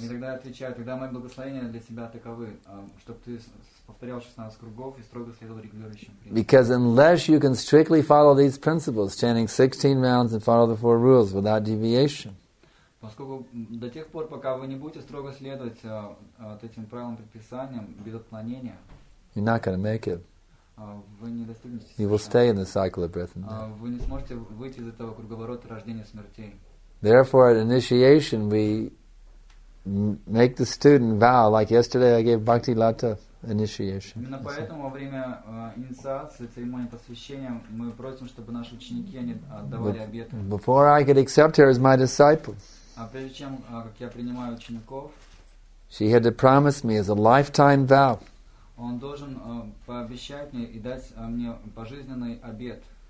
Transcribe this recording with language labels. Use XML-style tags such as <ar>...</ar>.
<ru>И тогда я отвечаю, тогда мои благословения для тебя таковы, чтобы ты повторял 16 кругов и строго следовал регулирующим принципам.</ru> <en>Because unless you can strictly follow these principles, chanting 16 rounds and follow the four rules without deviation.</en> <ru>Поскольку до тех пор, пока вы не будете строго следовать этим правилам предписаниям без отклонения,</ru> <en>you're not going to make it.</en> <ru>Вы не достигнете себя.</ru> <en>You will stay in the cycle of birth and death.</en> <ru>Вы не сможете выйти из этого круговорота рождения смертей.</ru> <en>Therefore, at initiation, we make the student vow, like yesterday I gave Bhakti Lata initiation.</en> <ru>Именно поэтому во время инициации, церемонии посвящения, мы просим, чтобы наши ученики они отдавали обеты.</ru> <en>Before I could accept her as my disciple,</en> <ru>прежде чем как я принимаю учеников,</ru> <en>she had to promise me as a lifetime vow.</en> <ru>Он должен пообещать мне и дать мне пожизненный обет.</ru>